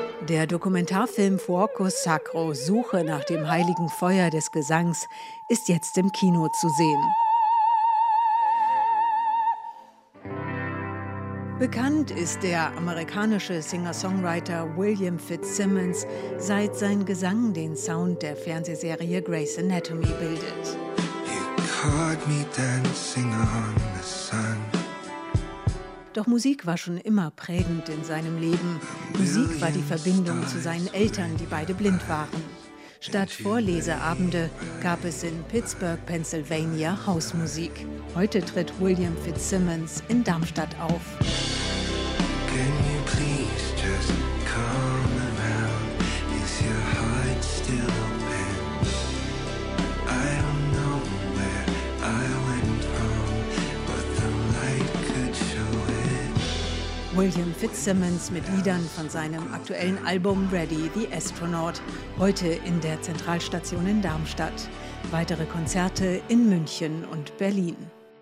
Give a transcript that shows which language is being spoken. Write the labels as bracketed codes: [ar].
[de] Der Dokumentarfilm Focus Sacro, Suche nach dem heiligen Feuer des Gesangs, ist jetzt im Kino zu sehen. Bekannt ist der amerikanische Singer-Songwriter William Fitzsimmons, seit sein Gesang den Sound der Fernsehserie Grey's Anatomy bildet. [en] You caught me dancing on the sun. [de] Doch Musik war schon immer prägend in seinem Leben. Musik war die Verbindung zu seinen Eltern, die beide blind waren. Statt Vorleseabende gab es in Pittsburgh, Pennsylvania, Hausmusik. Heute tritt William Fitzsimmons in Darmstadt auf. [en] Can you please just come around? Is your heart still open? I don't know where I went wrong, but the light could show it. [de] William Fitzsimmons mit Liedern von seinem aktuellen Album Ready the Astronaut, heute in der Zentralstation in Darmstadt. Weitere Konzerte in München und Berlin.